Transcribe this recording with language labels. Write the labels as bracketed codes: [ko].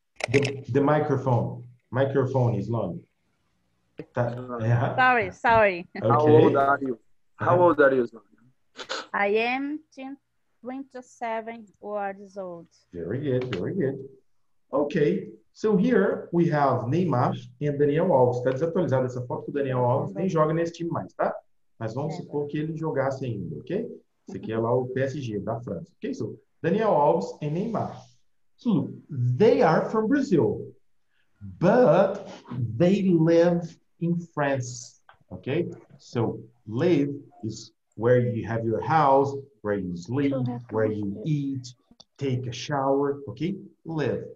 [en] The microphone, Islander. Sorry. Okay. How old are you? How old are you, Islander? I am 27 years old. Very good. Okay, so here we have Neymar and Daniel Alves. [pt] Está desatualizada essa foto, o Daniel Alves nem joga nesse time mais, tá? Mas vamos supor que ele jogasse ainda, ok? Esse aqui é lá o PSG da França. [en] Okay, so Daniel Alves and Neymar. So look, they are from Brazil, but they live in France, okay? So live is where you have your house, where you sleep, where you eat, take a shower, okay? Live.